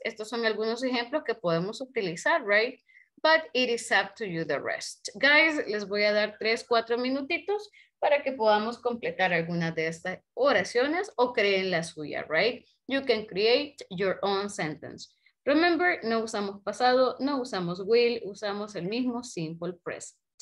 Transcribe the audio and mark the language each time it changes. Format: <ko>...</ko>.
<es>Estos son algunos ejemplos que podemos utilizar, right?</es> <en>But it is up to you the rest.</en> <es>Guys, les voy a dar 3-4 minutitos para que podamos completar algunas de estas oraciones o creen la suya, right?</es> <en>You can create your own sentence. Remember,</en> <es>no usamos pasado, no usamos will, usamos el mismo simple present.</es>